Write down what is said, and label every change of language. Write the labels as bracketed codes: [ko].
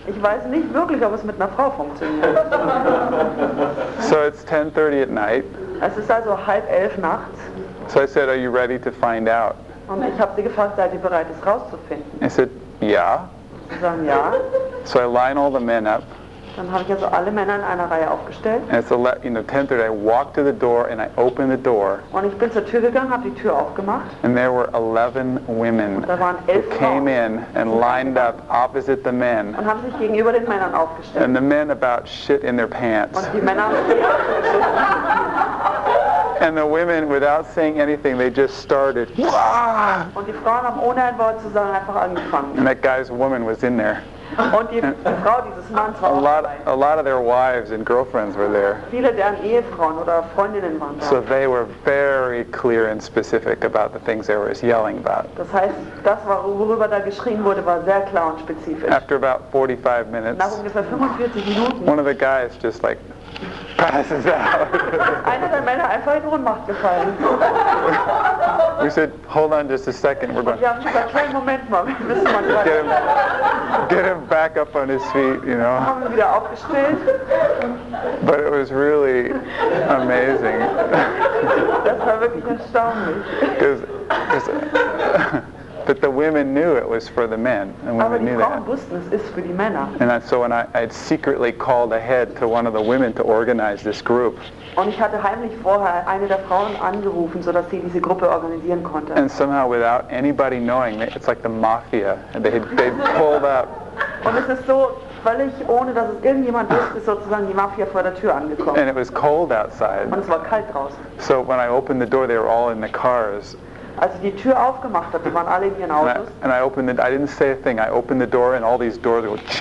[de] Ich weiß nicht wirklich, ob es mit einer Frau funktioniert. [en] So it's 10:30 at night. [de] Es ist also 10:30 nachts. [en] So I said, are you ready to find out? [de] Und ich habe sie gefragt, seid ihr bereit, es rauszufinden? [en] I said, yeah. [de] Sie sagen, ja. [en] So I line all the men up. [de] Dann habe ich also alle Männer in einer Reihe aufgestellt. [en] And it's 10:30, I walked to the door and I opened the door. [de] Und ich bin zur Tür gegangen, habe die Tür aufgemacht. [en] And there were 11 women who came in and lined up opposite the men. [de] Und haben sich gegenüber den Männern aufgestellt. [en] And the men about shit in their pants. [de] Und die Männer. [en] And the women, without saying anything, they just started. [de] Und die Frauen haben ohne ein Wort zu sagen einfach angefangen. [en] And that guy's woman was in there. [de] Und die Frau dieses Mannes war [en] a lot of their wives and girlfriends were there. [de] Viele deren Ehefrauen oder Freundinnen waren da. [en] So they were very clear and specific about the things they were yelling about. [de] Das heißt, das, worüber da geschrien wurde, war sehr klar und spezifisch. [en] After about 45 minutes, [de] nach ungefähr 45 Minuten, [en] one of the guys just like passes out. [de] Einer der Männer einfach in Ohnmacht gefallen. [en] We said, hold on just a second, we're going. [de] Wir haben gesagt, kleinen Moment mal, wir müssen mal gerade. [en] Get him back up on his feet, you know. [de] Haben ihn wieder aufgestellt. [en] But it was really amazing. [de] Das war wirklich erstaunlich. [en] But the women knew it was for the men, and women [de] aber die [en] knew [de] Frauen [en] that. [de] Wussten, es ist für die Männer. [en] And so when I'd secretly called ahead to one of the women to organize this group. [de] Und ich hatte heimlich vorher eine der Frauen angerufen, so dass sie diese Gruppe organisieren konnte. [en] And somehow, without anybody knowing, it's like the mafia. They pulled up. [de] Und es ist so völlig ohne, dass es irgendjemand wusste, sozusagen die Mafia vor der Tür angekommen. [en] And it was cold outside. [de] Und es war kalt draußen. [en] So when I opened the door, they were all in the cars. [de] als sie die Tür aufgemacht hat, waren alle in ihren Autos. [en] And I opened it. I didn't say a thing. I opened the door and all these doors go.